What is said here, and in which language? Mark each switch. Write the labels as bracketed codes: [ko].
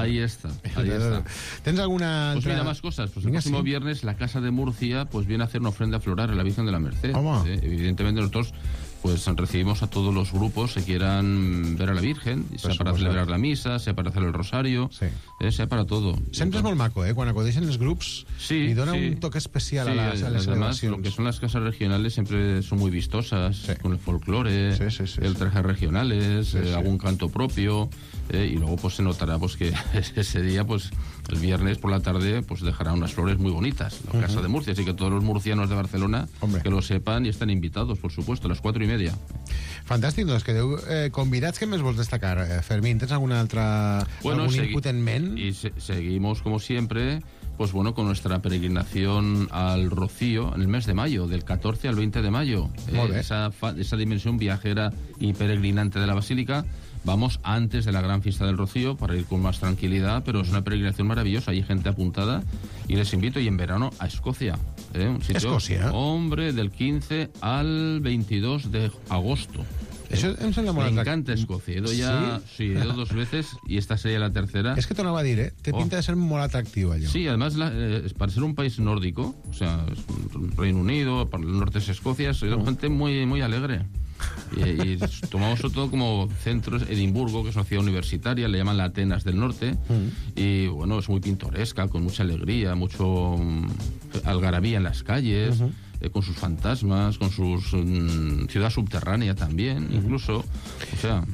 [es] Ahí está, ahí está. [ca] ¿Tens alguna altra...? [es] Pues mira, más cosas. Pues el próximo viernes la Casa de Murcia pues viene a hacer una ofrenda floral a la Virgen de la Merced. Evidentemente nosotros pues recibimos a todos los grupos que quieran ver a la Virgen, sea para celebrar la misa, sea para hacer el rosario, sea para todo. [ca] Sempre és molt maco, quan acudeixen els grups, sí, i dona un toque especial a les celebracions. [es] Además, lo que son las casas regionales siempre son muy vistosas, con el folclore, el traje regionales, algún canto propio, y luego pues se notará pues que ese día, pues el viernes por la tarde, pues dejará unas flores muy bonitas la Casa de Murcia. Así que todos los murcianos de Barcelona, que lo sepan y estén invitados, por supuesto, a las 4:30. [ca] Fantàstic, doncs, quedeu convidats. Què més vols destacar, Fermín? Tens alguna altra... Bueno, algun input en ment? [es] Y seguimos, como siempre, pues bueno, con nuestra peregrinación al Rocío en el mes de mayo, del 14 al 20 de mayo. Esa dimensión viajera y peregrinante de la Basílica. Vamos antes de la gran fiesta del Rocío para ir con más tranquilidad, pero es una peregrinación maravillosa. Hay gente apuntada y les invito, y en verano a Escocia. Un sitio, Escocia. Hombre, del 15 al 22 de agosto. Eso [ca] em sembla molt atractiu. M'encanta Escocia. Sí, [es] he ido dos veces y esta sería la tercera. [ca] Es que t'ho anava a dir, Té pinta de ser molt atractiu allò. [es] Sí, además, para ser un país nórdico, o sea, es un Reino Unido, para el norte es Escocia, es una gente muy, muy alegre. Y tomamos todo como centro Edimburgo, que es una ciudad universitaria, le llaman la Atenas del Norte, y bueno, es muy pintoresca, con mucha alegría, mucho algarabía en las calles, con sus fantasmas, con su ciudad subterránea también, incluso, o sea...